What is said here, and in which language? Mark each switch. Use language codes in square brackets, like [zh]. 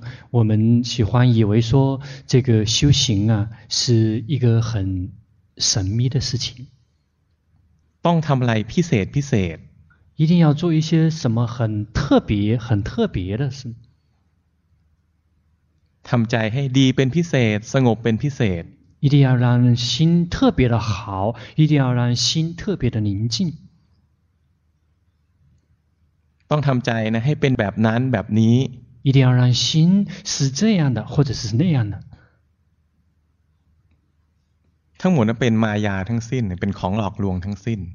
[zh] 我们喜欢以为说这个修行啊是一个很神秘的事情 [th] ต้องทำอะไรพิเศษพิเศษ [zh] 一定要做一些什么很特别很特别的事 [th] ทำใจให้ดีเป็นพิเศษสงบเป็นพิเศษ [zh] 一定要让心特别的好一定要让心特别的宁静 [th] ต้องทำใจนะให้เป็นแบบนั้นแบบนี้ [zh] 一定要让心是这样的或者是那样的 [th] ทั้งหมดนั้นเป็นมายาทั้งสิ้นเป็นของหลอกลวงทั้งสิ้น